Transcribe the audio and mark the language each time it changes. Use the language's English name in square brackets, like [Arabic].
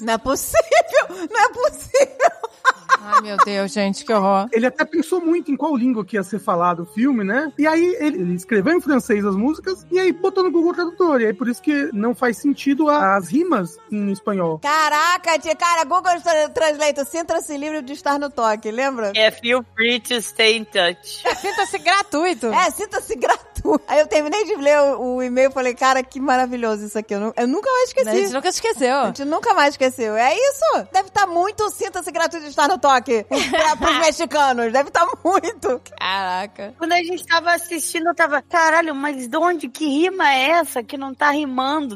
[Portuguese] Não é possível! Não é possível! Ai, meu Deus, gente, que horror. Ele até pensou muito em qual língua que ia ser falado o filme, né? E aí ele escreveu em francês as músicas e aí botou no Google Tradutor. E aí por isso que não faz sentido as rimas em espanhol. Caraca, tia, cara, Google Translator, sinta-se livre de estar no toque, lembra? [English] É, feel free to stay in touch. [Portuguese] Sinta-se gratuito. É, sinta-se gratuito. Aí eu terminei de ler o e-mail e falei, cara, que maravilhoso isso aqui. Eu nunca mais esqueci. A gente nunca esqueceu. A gente nunca mais esqueceu. É isso. Deve estar muito, sinta-se gratuito de estar no toque pros mexicanos. Deve estar muito. Caraca. Quando a gente tava assistindo, eu tava, caralho, mas de onde? Que rima é essa que não tá rimando?